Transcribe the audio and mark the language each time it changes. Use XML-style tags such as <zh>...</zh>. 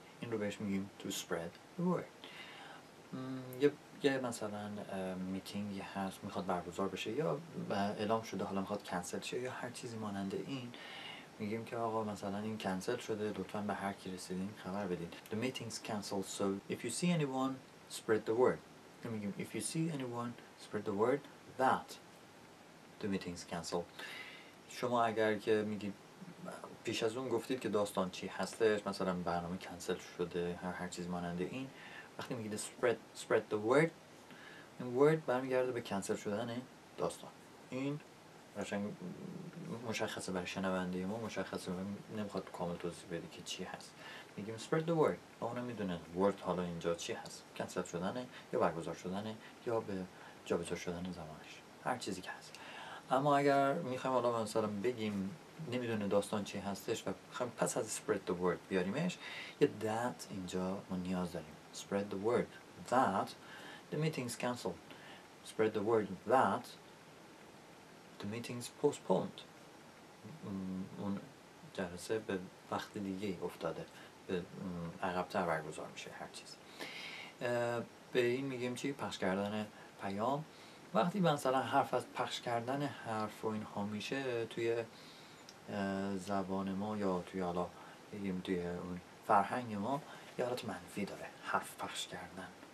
<fa>این رو بهش میگیم</fa> <en>to spread the word.</en> <fa>یه مثلا میتینگ هست میخواد برگزار بشه یا اعلام شده حالا میخواد کنسل شه یا هر چیزی مانند این، میگیم که آقا مثلا این کنسل شده، لطفا به هر کی رسیدین خبر بدین.</fa> <en>The meeting's canceled, so if you see anyone, spread the word.</en> <fa>میگیم</fa> <en>if you see anyone, spread the word that the meeting's canceled.</en> <fa>شما اگر که میگید پیش از اون گفتید که داستان چی هستش، مثلا برنامه کنسل شده، هر چیز مانند این، وقتی میگید</fa> <en>spread the word،</en> <fa>این word برمیگرده به کنسل شدن داستان. این قشنگ مشخصه برای شنونده ما، مشخصه. نمیخواد کامل توضیح بده که چی هست، میگیم</fa> <en>spread the word.</en> <fa>اونا میدونن word حالا اینجا چی هست، کنسل شدنه یا برگزار شدنه یا به جابجا شدن زمانش، هر چیزی که هست. اما اگر میخوایم حالا مثلا بگیم نمیدونه داستان چی هستش و خواهیم پس از</fa> <en>spread the word</en> <fa>بیاریمش، یه that اینجا ما نیاز داریم.</fa> <en>Spread the word that the meeting's cancelled. Spread the word that the meeting's postponed.</en> <fa>اون جلسه به وقت دیگه افتاده، به عقبتر برگزار میشه هر چیز. به این میگیم چی؟ پخش کردن پیام. وقتی مثلا حرف از پخش کردن حرف و اینها میشه توی زبان ما یا توی حالا بگیم توی فرهنگ ما، یه حالت منفی داره حرف پخش کردن.</fa>